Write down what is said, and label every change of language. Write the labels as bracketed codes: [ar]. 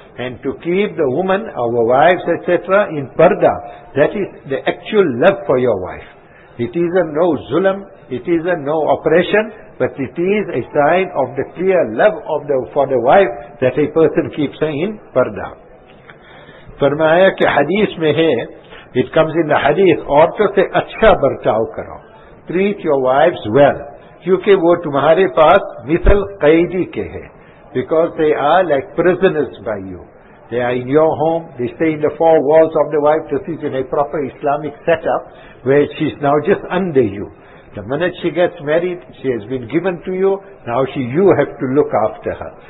[en] And to keep the woman, our wives, etc., in parda, that is the actual love for your wife. It is a no zulm, it is a no oppression, but it is a sign of the clear love of the for the wife that a person keeps her in parda. [ur] فرمایا کہ حدیث میں ہے, [en] it comes in the [ur] حدیث, عورتوں سے اچھا برتاؤ کرو, [en] treat your wives well, [ur] کیونکہ وہ تمہارے پاس مثل قیدی کے ہیں. [en] Because they are like prisoners by you, they are in your home, they stay in the four walls of the wife. This is in a proper Islamic setup where she is now just under you. The minute she gets married, she has been given to you, now you have to look after her.